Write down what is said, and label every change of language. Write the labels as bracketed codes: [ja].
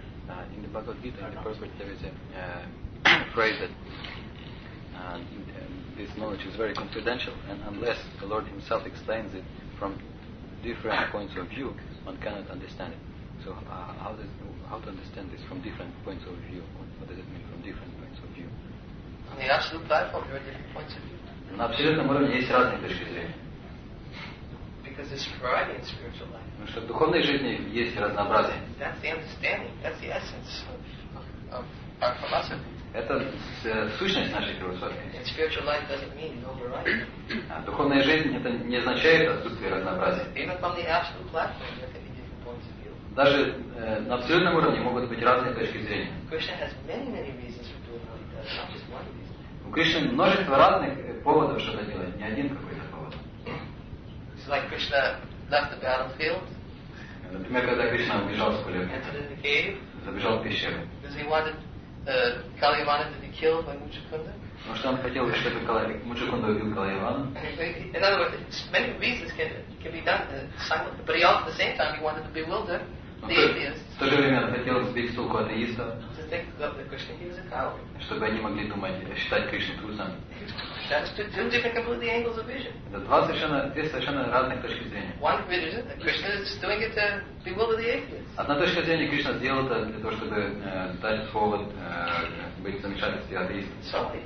[en] In the Bhagavad Gita, in the Purport, there is a phrase that this knowledge is very confidential, and unless the Lord himself explains it from different points of view, one cannot understand it. So how to understand this from different points of view? What does it mean from different points of view? On the absolute platform, there are different points of view. [ru] На абсолютном уровне есть разные точки зрения. [en] Because there's variety in spiritual life. [ru] Потому что в духовной жизни есть разнообразие. [en] That's the understanding. That's the essence of our philosophy. [ru] Это сущность нашей философии. [en] And spiritual life doesn't mean no variety. [ru] Духовная жизнь это не означает отсутствие разнообразия. [en] Even from the absolute platform, there can be different points of view. [ru] Даже на абсолютном уровне могут быть разные точки зрения. [en] Krishna has many, many reasons for doing what he does, not just one reason. [ru] У Кришны множество разных поводов, чтобы делать, не один какой-то повод. [en] It's like Krishna left the battlefield. [ru] Например, когда Кришна убежал с поля боя. [en] Entered in the cave. [ru] Забежал в пещеру. [en] Because he wanted, Kali wanted to be killed by Muchakunda. [ru] Потому что он хотел, чтобы Муджакунда убил Калайвана. [en] In other words, many reasons can be done simultaneously, but he also at the same time he wanted to bewilder the atheists. [ru] В то же время он хотел сбить с толку атеистов. [en] To think that Krishna is a coward. [ru] Чтобы они могли думать, считать Кришну трусом. [en] That's two different completely angles of vision. [ru] Это две совершенно разных точки зрения. [en] One vision that Krishna is doing it to bewilder the atheists. [ru] Одна точка зрения Кришна сделал это для того, чтобы дать повод быть в замешательстве атеистов.